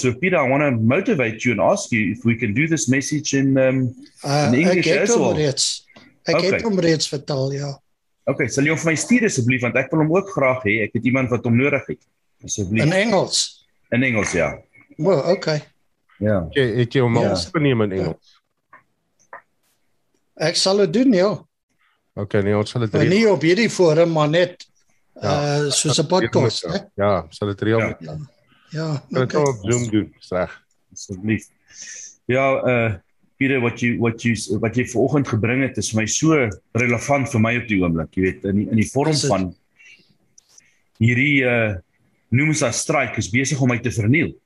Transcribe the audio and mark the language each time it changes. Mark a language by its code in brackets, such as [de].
[en] So Peter, I want to motivate you and ask you if we can do this message in English as well. [af] Ek het hom reeds vertel, ja. Okay, sal jy hom vir my stuur asseblief, want ek wil hom ook graag hê. Ek het iemand wat hom nodig het. Asseblief. In Engels. In Engels, ja. [en] Well, okay. [af] Ja. [en] Yeah. [af] Okay, ek het hom al opgeneem in Engels. Ek sal dit doen, ja. Okay, nee, ons sal dit doen. Nie op hierdie forum, maar net soos 'n podcast, hè. Ja, sal dit reël. Ja, okay. Kan ek op Zoom doen, sê. Asseblief. Ja, Pieter, wat jy vanoggend gebring het, is my so relevant vir my op die oomblik, jy weet, in die vorm van hierdie noemens as strike is besig om my te verniel.